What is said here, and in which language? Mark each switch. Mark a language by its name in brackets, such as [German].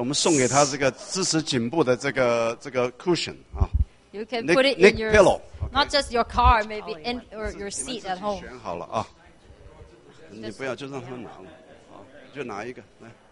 [Chinese] 好，我们必须要结束了。我们爱护我们的爸爸们，他们常常开车的时候，那个颈部会疼痛，所以我们送给他这个支持颈部的这个 cushion 啊。 [English] You can put it in your pillow, not just your car, maybe in or your seat at home. [Chinese] 选好了啊，你不要就让他拿，好，就拿一个来。